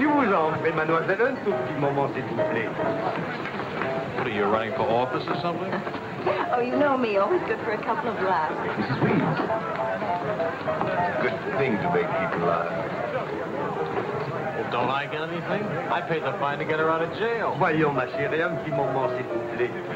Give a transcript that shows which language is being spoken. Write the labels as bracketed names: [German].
[French] Je vous en prie, mademoiselle, un tout petit moment, s'il vous plaît. [English] What are you, running for office or something? Oh, you know me. Always good for a couple of laughs. Mrs. Reeves. Good thing to make people laugh. Well, don't I get anything? I paid the fine to get her out of jail. [French] Voyons, ma chérie, un petit moment, s'il vous plaît.